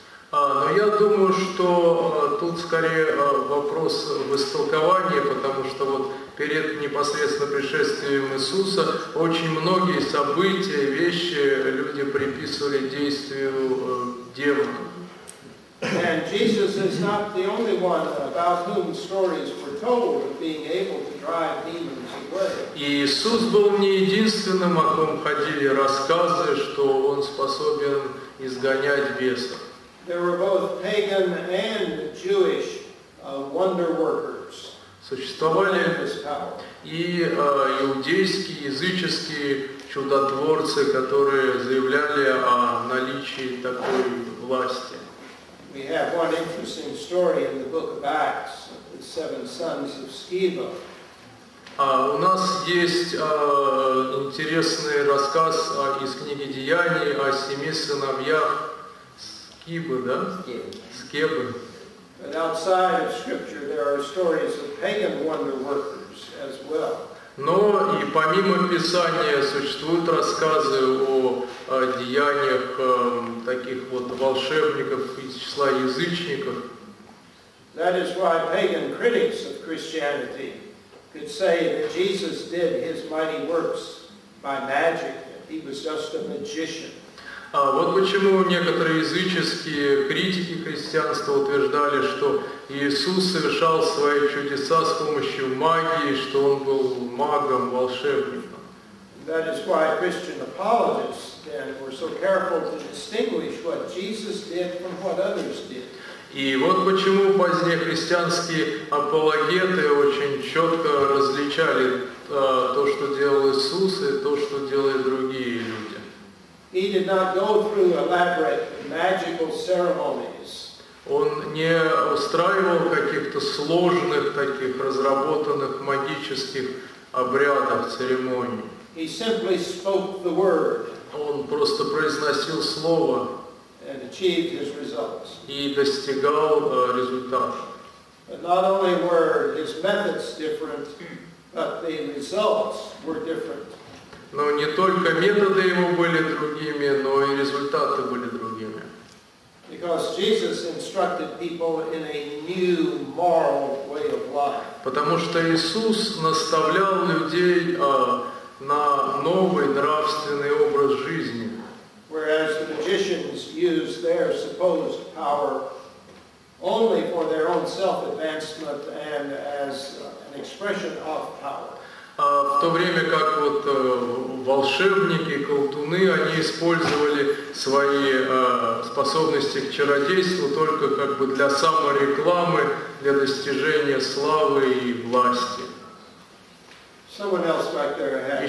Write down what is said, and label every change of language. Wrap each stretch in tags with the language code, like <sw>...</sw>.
<ru>Но я думаю, что тут скорее вопрос в истолковании, потому что вот перед непосредственно пришествием Иисуса очень многие события, вещи люди приписывали действию демонов.</ru> <en>And Jesus is not the only one about whom stories were told of being able to drive demons away.</en> <ru>Иисус был не единственным, о ком ходили рассказы, что он способен изгонять бесов.</ru> <en>There were both pagan and Jewish wonder workers.</en> <ru>Существовали и иудейские, языческие чудотворцы, которые заявляли о наличии такой власти.</ru> <en>We have one interesting story in the book of Acts, the seven sons of Sceva.</en> <ru>У нас есть интересный рассказ из книги Деяний о семи сыновьях Скибы, да? Скебы.</ru> <en>But outside of scripture there are stories of pagan wonder workers as well.</en> <ru>Но и помимо Писания существуют рассказы о деяниях таких вот волшебников из числа язычников.</ru> <en>That is why pagan critics of Christianity could say that Jesus did his mighty works by magic, that he was just a magician.</en> <ru>Вот почему некоторые языческие критики христианства утверждали, что Иисус совершал свои чудеса с помощью магии, что он был магом, волшебником.</ru> <en>That is why Christian apologists then were so careful to distinguish what Jesus did from what others did.</en> <ru>И вот почему позднее христианские апологеты очень четко различали то, что делал Иисус, и то, что делают другие люди.</ru> <en>He did not go through elaborate magical ceremonies.</en> <ru>Он не устраивал каких-то сложных таких разработанных магических обрядов, церемоний.</ru> <en>He simply spoke the word.</en> <ru>Он просто произносил слово.</ru> <en>And achieved his results.</en> <ru>И достигал результат.</ru> <en>But not only were his methods different, but the results were different.</en> <ru>Но не только методы его были другими, но и результаты были другими.</ru> <en>Because Jesus instructed people in a new moral way of life.</en> <ru>Потому что Иисус наставлял людей на новый нравственный образ жизни.</ru> <en>Whereas the magicians used their supposed power only for their own self-advancement and as an expression of power.</en> <ru>В то время как вот волшебники, колдуны, они использовали свои способности к чародейству только как бы для саморекламы, для достижения славы и власти.</ru> <en>Someone else back there had.</en>